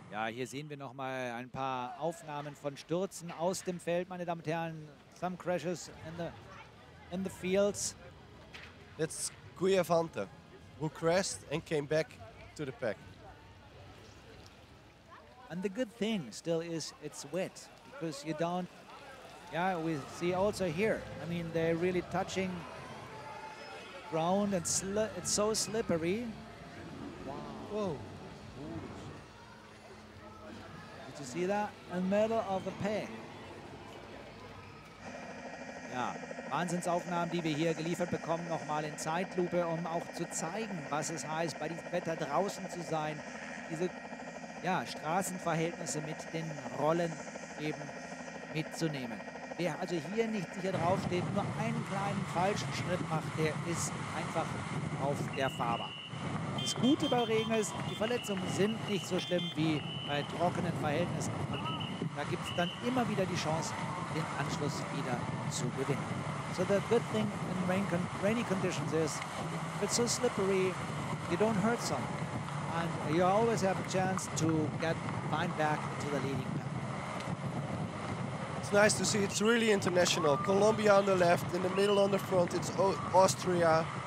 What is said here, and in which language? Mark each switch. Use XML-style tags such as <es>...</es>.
<de>Hier sehen wir noch mal ein paar Aufnahmen von Stürzen aus dem Feld, meine Damen und Herren.</de> <en>Some crashes in the fields. That's Guiavante, who crashed and came back to the pack. And the good thing still is it's wet, because you don't. Yeah, we see also here. I mean, they're really touching ground, and it's so slippery. Wow. Whoa. You see that in the middle of the pack.</en> <de>Ja, Wahnsinnsaufnahmen, die wir hier geliefert bekommen, nochmal in Zeitlupe, um auch zu zeigen, was es heißt, bei diesem Wetter draußen zu sein. Diese ja, Straßenverhältnisse mit den Rollen eben mitzunehmen. Wer also hier nicht sicher draufsteht, nur einen kleinen falschen Schritt macht, der ist einfach auf der Fahrbahn. Das Gute bei Regen ist, die Verletzungen sind nicht so schlimm wie bei trockenen Verhältnissen. Und da gibt es dann immer wieder die Chance, den Anschluss wieder zu gewinnen.</de> <en>So the good thing in rainy conditions is, it's so slippery, you don't hurt someone. And you always have a chance to get find back to the leading path. It's nice to see, it's really international. Colombia on the left, in the middle on the front, it's Austria.</en>